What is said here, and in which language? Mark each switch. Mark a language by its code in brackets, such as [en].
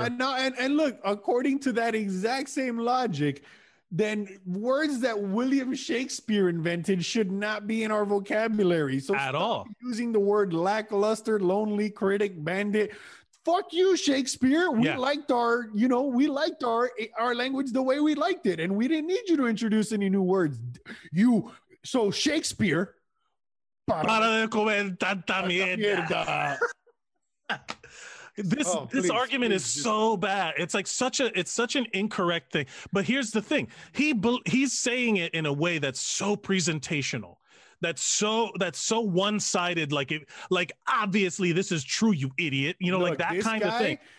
[en] And look, according to that exact same logic, then words that William Shakespeare invented should not be in our vocabulary. So at all using the word lackluster, lonely, critic, bandit. Fuck you, Shakespeare. We liked our language the way we liked it. And we didn't need you to introduce any new words. So Shakespeare. [es] Para de comer tanta mierda. [en] This argument is so bad. It's like such an incorrect thing. But here's the thing. He's saying it in a way that's so presentational. That's so one-sided, like obviously this is true, you idiot. You know, look, like that kind of thing.